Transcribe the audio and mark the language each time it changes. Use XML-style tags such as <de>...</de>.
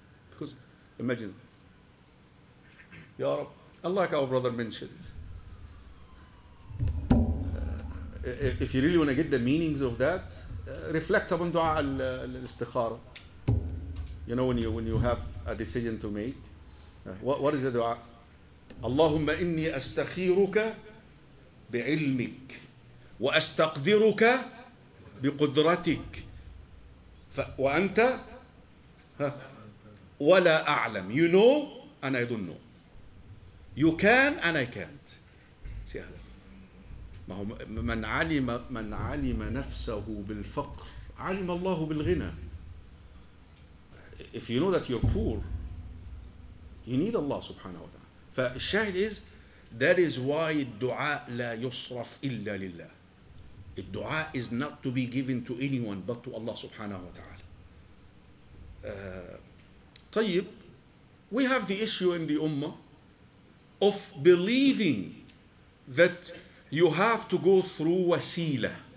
<en>Because imagine, Ya Rab, unlike our brother mentioned, if you really want to get the meanings of that, reflect upon dua al-istikhara. You know, when you have a decision to make, what is the dua?</en> <ar>اللهم إني أستخيرك بعلمك وأستقدرك بقدرتك وأنت ولا أعلم.</ar> <en>You know and I don't know. You can and I can't. See هذا.</en> <ar>من علم نفسه بالفقر علم الله بالغنى.</ar> <en>If you know that you're poor, you need Allah subhanahu wa ta'ala.</en> <ar>فالشاهد</ar> <en>is, that is why</en> <ar>الدعاء لا يصرف إلا لله.</ar> <en>الدعاء is not to be given to anyone but to Allah subhanahu wa ta'ala. طيب, we have the issue in the ummah of believing that you have to go through wasila.</en>